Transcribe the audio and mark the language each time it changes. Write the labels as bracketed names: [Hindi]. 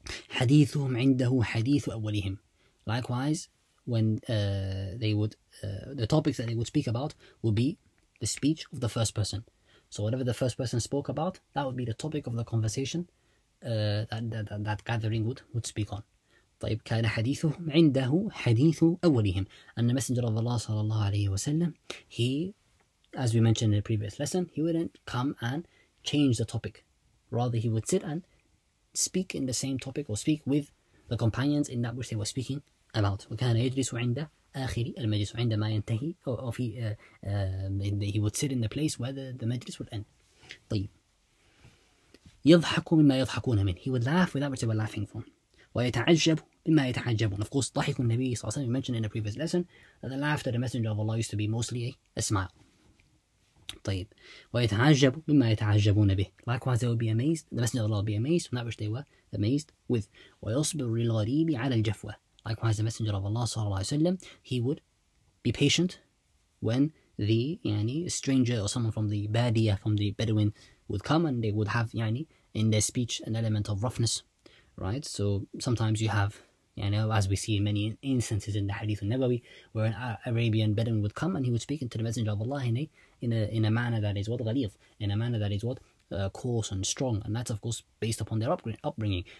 [Arabic] حديثهم عنده حديث أولهم. [English] Likewise, when the topics that they would speak about would be the speech of the first person. So whatever the first person spoke about, that would be the topic of the conversation that gathering would speak on. [Arabic] طيب كان حديثهم عنده حديث أولهم. [English] And the Messenger of Allah sallallahu alayhi wasallam, he, as we mentioned in the previous lesson, he wouldn't come and change the topic. Rather, he would sit and speak in the same topic, or speak with the companions in that which they were speaking about. [Arabic] وكان يجلس عنده آخري المجلس عندما ينتهي, [English] or he would sit in the place where the majlis would end. [Arabic] طيب يضحك مما يضحكون منه. [English] He would laugh with that which they were laughing from. [Arabic] ويتعجب بما يتعجبون. [English] Of course, ضحك النبي صلى الله عليه وسلم, we mentioned in a previous lesson that the laughter of the Messenger of Allah used to be mostly a smile. [Arabic] طيب ويتعجب بما يتعجبون به. [English] Likewise, they would be amazed, the Messenger of Allah would be amazed from that which they were amazed with. [Arabic] ويصبر الغريب على الجفوة. [English] Likewise, the Messenger of Allah sallallahu alayhi wa sallam, he would be patient when the stranger or someone from the badia, from the Bedouin, would come, and they would have in their speech an element of roughness, right? So sometimes you have, as we see in many instances in the Hadith al-Nabawi, where an Arabian Bedouin would come and he would speak into the Messenger of Allah in a manner that is what ghaliz, in a manner that is what coarse and strong, and that's of course based upon their upbringing.